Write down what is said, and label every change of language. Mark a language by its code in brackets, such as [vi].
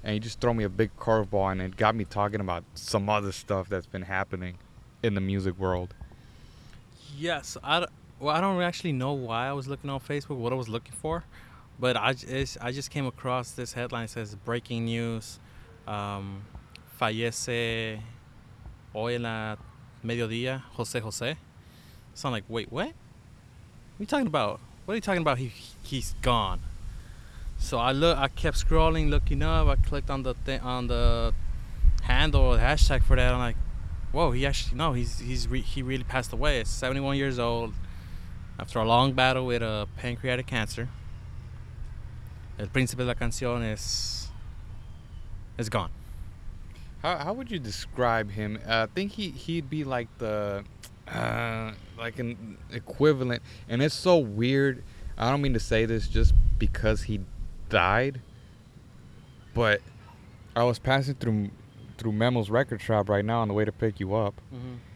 [en] And you just throw me a big curveball, and it got me talking about some other stuff that's been happening in the music world. Yes. I don't actually know why I was looking on Facebook, what I was looking for, but I just came across this headline. It says breaking news. [es] Fallece hoy en la mediodía José. [en] So I'm like, wait, what? What are you talking about? He's gone. So I kept scrolling, looking up. I clicked on the handle or the hashtag for that. I'm like, whoa, he really passed away. He's 71 years old after a long battle with a pancreatic cancer. El Príncipe de la Canción is gone. How would you describe him? I think he'd be like the... like an equivalent, and it's so weird. I don't mean to say this just because he died, but I was passing through Memo's record shop right now on the way to pick you up. Mm-hmm.